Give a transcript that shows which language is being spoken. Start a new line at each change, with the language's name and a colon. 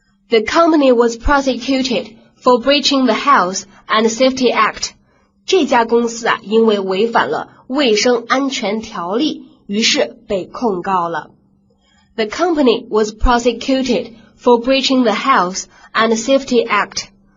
English: The company was prosecuted for breaching the Health and Safety Act.
Chinese: 这家公司啊，因为违反了卫生安全条例，于是被控告了。
English: The company was prosecuted for breaching the Health and Safety Act.